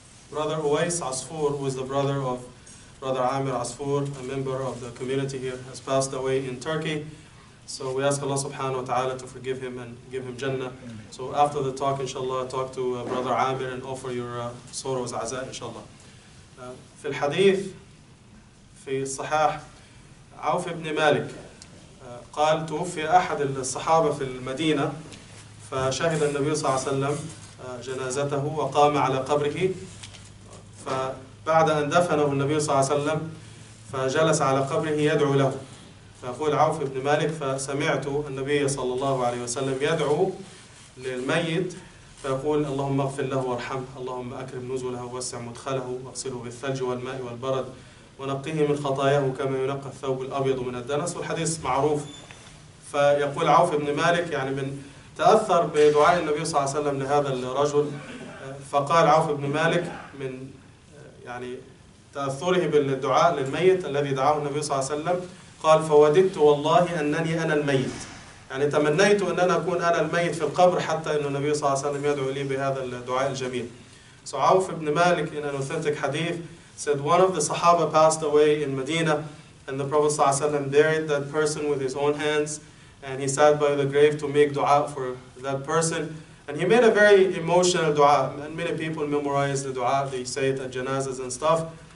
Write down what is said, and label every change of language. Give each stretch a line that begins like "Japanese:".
English: Brother Uwais Asfour, who is the brother of Brother Amir Asfour, a member of the community here, has passed away in Turkey. So we ask Allah subhanahu wa ta'ala to forgive him and give him Jannah. So after the talk, inshallah, talk to Brother Amir and offer your sorrows, aza'a, inshallah.
Arabic: في الحديث في الصحاح عوف بن مالك قال توفي أحد الصحابة في المدينة فشهد النبي صلى الله عليه وسلم جنازته وقام على قبره. فبعد أن دفنه النبي صلى الله عليه وسلم فجلس على قبره يدعو له، فأقول عوف بن مالك فسمعت النبي صلى الله عليه وسلم يدعو للميت فيقول اللهم اغفر له وارحمه، اللهم أكرم نزله ووسع مدخله واغسله بالثلج والماء والبرد ونقيه من خطاياه كما ينقى الثوب الأبيض من الدنس. والحديث معروف. فيقول عوف بن مالك يعني من تأثر بدعاء النبي صلى الله عليه وسلم لهذا الرجل، فقال عوف بن مالك من يعني تأثره بالدعاء للميت الذي دعاه النبي صلى الله عليه وسلم، قال فوددت والله أنني أنا الميت، يعني تمنيت أن أنا أكون أنا الميت في القبر حتى أن النبي صلى الله عليه وسلم يدعو لي بهذا الدعاء الجميل.
English: So عوف بن مالك in an authentic hadith said one of the Sahaba passed away in Medina and the Prophet
Arabic: صلى الله عليه وسلم
English: buried that person with his own hands and he sat by the grave to make dua for that person. And he made a very emotional dua, and many people memorize the dua, they say it at janazas and stuff.